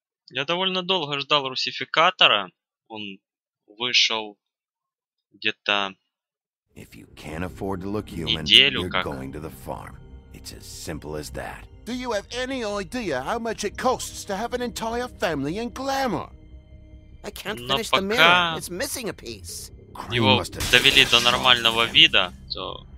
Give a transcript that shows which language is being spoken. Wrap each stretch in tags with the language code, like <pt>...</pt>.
<ru>Я довольно долго ждал русификатора. Он вышел где-то неделю как.</ru> <en>It's as simple as that. Do you have any idea how much it costs to have an entire family in glamour? I can't finish the mirror. It's missing a piece.</en> <ru>Его довели до нормального вида, то.</ru>